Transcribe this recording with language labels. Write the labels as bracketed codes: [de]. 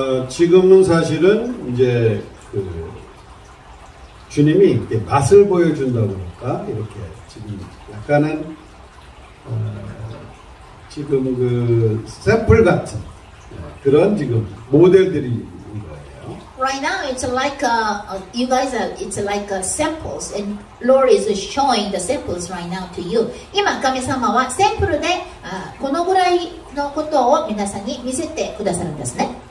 [ko] 지금은 사실은 이제 그 주님이 이렇게 맛을 보여준다고 그럴까 이렇게 지금 약간은 지금 그 샘플 같은 그런 지금 모델들이 있는 거예요. [en] Right now it's like you guys are it's like samples and Lord is showing the samples right now to you. [ja] 今 神様は 샘플で このぐらいのことを皆さんに見せてくださるんですね。